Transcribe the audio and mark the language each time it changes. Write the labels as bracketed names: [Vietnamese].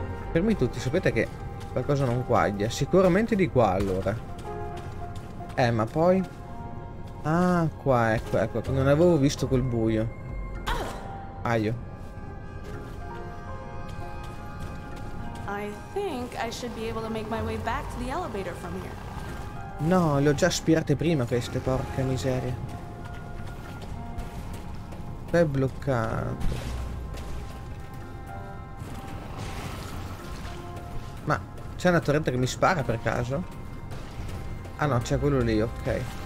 [Italian] Fermi tutti, sapete che qualcosa non quaglia. Sicuramente di qua allora. Ma poi. Ah, qua, ecco. Non avevo visto quel buio. Aio. [English] I think I should be able to make my way back to the elevator from here. [Italian] No, le ho già aspirate prima queste, porca miseria. È bloccato. Ma c'è una torretta che mi spara per caso? Ah no, c'è quello lì, ok.